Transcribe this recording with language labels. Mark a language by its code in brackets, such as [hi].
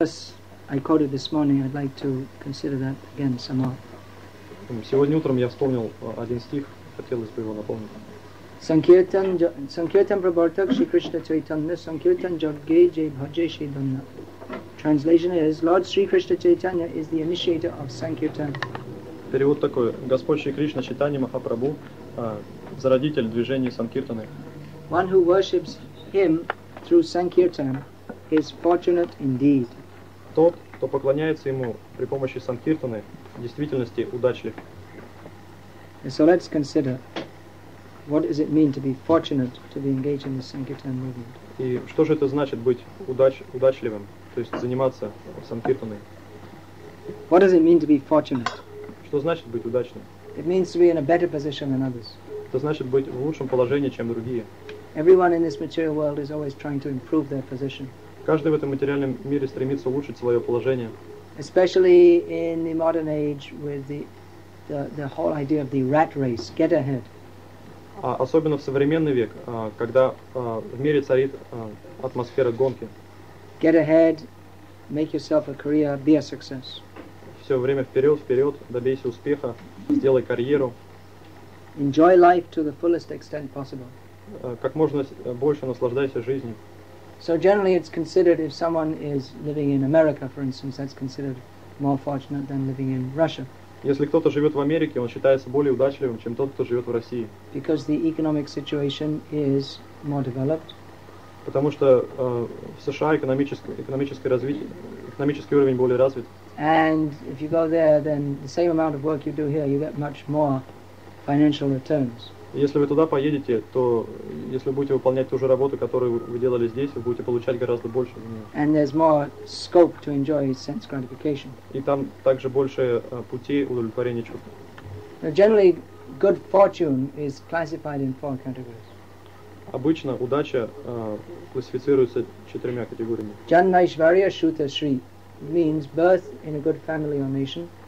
[en] I quoted this morning, I'd like to consider that again some more. [ru] Сегодня утром я вспомнил один стих, хотелось бы его напомнить. [sa] Sankirtan Prabhartak Shri Krishna Chaitanya Sankirtan Jagge Jai Bhaje Shri Dhamna. [en] Translation is, Lord Shri Krishna Chaitanya is the initiator of Sankirtan. [ru] Перевод такой, Господь Шри Кришна Чайтанья Махапрабху, зародитель движения Санкиртаны. [en] One who worships him through Sankirtan is fortunate indeed. [ru] Тот, кто поклоняется ему при помощи Санкиртаны, в действительности удачлив. [en] So let's consider, what does it mean to be fortunate to be engaged in the Sankirtan movement? [ru] И что же это значит быть удачливым, то есть заниматься Санкиртаной? [en] What does it mean to be fortunate? [ru] Что значит быть удачным? [en] It means to be in a better position than others. [ru] Это значит быть в лучшем положении, чем другие. [en] Everyone in this material world is always trying to improve their position. [ru] Каждый в этом материальном мире стремится улучшить свое положение. [en] Especially in the modern age with the whole idea of the rat race, get ahead. [ru] Особенно в современный век, когда в мире царит атмосфера гонки. [en] Get ahead, make yourself a career, be a success. [ru] Все время вперед, добейся успеха, сделай карьеру. [en] Enjoy life to the fullest extent possible. [ru] Как можно больше наслаждайся жизнью. [en] So generally it's considered if someone is living in America, for instance, that's considered more fortunate than living in Russia. [ru] Если кто-то живет в Америке, он считается более удачливым, чем тот, кто живет в России. [en] Because the economic situation is more developed. [ru] Потому что в США экономическое развитие, экономический уровень более развит. [en] And if you go there, then the same amount of work you do here, you get much more financial returns. [ru] Если вы туда поедете, то если будете выполнять ту же работу, которую вы делали здесь, вы будете получать гораздо больше. [en] And there's more scope to enjoy sense gratification. [ru] И там также больше пути удовлетворения чувств. [en] Now, generally, good fortune is classified in four categories. [ru] Обычно удача классифицируется четырьмя категориями. [sa] Janmaishvarya Shruta Shri [en] means birth in a good family or nation.